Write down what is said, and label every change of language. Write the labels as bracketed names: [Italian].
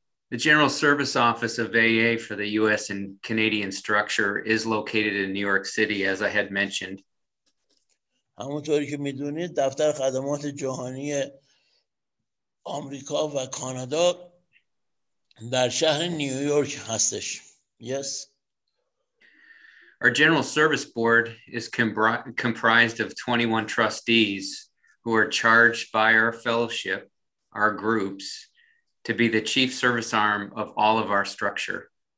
[English] The General Service Office of AA for the US and Canadian structure is located in New York City, as I had mentioned. [Persian] همونطوری که می‌دونید دفتر خدمات جهانی آمریکا و کانادا در شهر نیویورک هستش. [English] Yes. Our General Service Board is comprised of 21 trustees who are charged by our fellowship, our groups, to be the chief service arm of all of our structure.